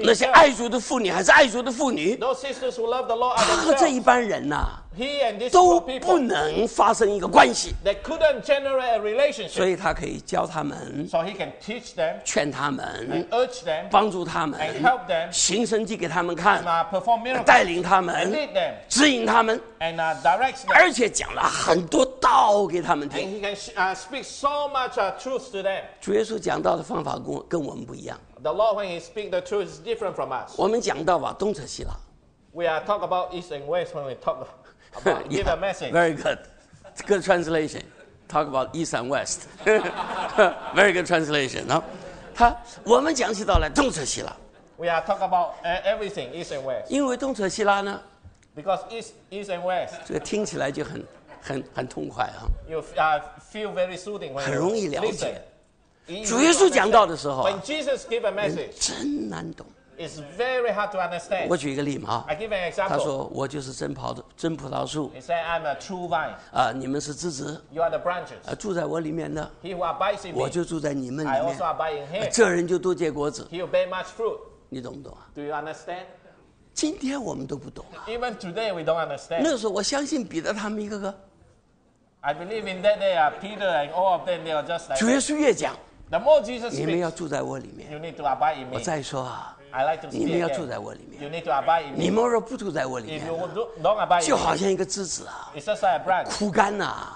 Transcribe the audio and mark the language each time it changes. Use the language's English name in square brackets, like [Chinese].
[Chinese] 那些爱主的妇女还是爱主的妇女 [English] Those sisters who love the Lord are [Chinese] 他和这一般人、啊、 [English] He and these [Chinese] 都不能发生一个关系 [English] they couldn't generate a relationship. [Chinese] 所以他可以教他们、 [English] so、he can teach them, [Chinese] 劝他们 [English] and urge them, [Chinese] 帮助他们 [English] and help them, [Chinese] 行神迹给他们看 [English] and, perform miracles, [Chinese] 带领他们 [English] and lead them, [Chinese] 指引他们 [English] and, direct them. [Chinese] 而且讲了很多道给他们听 [English] and he can, speak so much, truth to them. [Chinese] 主耶稣讲道的方法 跟我们不一样 [English] the Lord, when he speaks the truth, is different from us. [Chinese] 我们讲道吧东扯西拉 [English] we are talk about east and west when we talk aboutYeah, give a message. Very good. Good translation. Talk about East and West. Very good translation. No? [Chinese] 他我们讲起到来东扯西拉。 [English] We are talking about everything, East and West. [Chinese] 因为东扯西拉呢。 [English] Because East and West. [Chinese] 这个听起来就很痛快啊。 [English] You feel very soothing when [Chinese] 很容易了解。主耶稣讲到的时候。 [English] When Jesus gave a message. [Chinese] 真难懂。 [English] It's very hard to understand. [Chinese] 我举一个例嘛。 [English] I give an example. [Chinese] 他说我就是真葡萄树。 [English] He said I'm a true vine. [Chinese] 你们是枝子。 [English] You are the branches. [Chinese] 住在我里面的。 [English] He who abides in me. [Chinese] 我就住在你们里面。 [English] I also abide in him. [Chinese] 这人就多结果子。 [English] He will bear much fruit. [Chinese] 你懂不懂啊 [English] ？Do you understand? [Chinese] 今天我们都不懂、啊。 [English] Even today we don't understand. [Chinese] 那个时候我相信彼得他们一个个。 [English] I believe in that day, Peter and all of them, they are just like. [Chinese] 主耶稣越讲。 [English] The more Jesus speaks. [Chinese] 你们要住在我里面。 [English] You need to abide in me. [Chinese] 我再说啊。 [English] I like to see [Chinese] 你们要住在我里面 [English] you need to abide in [Chinese] 你们若不住在我里面 [English] if you don't abide in [Chinese] 就好像一个枝子啊 [English] It's just like a branch, [Chinese] 枯干啊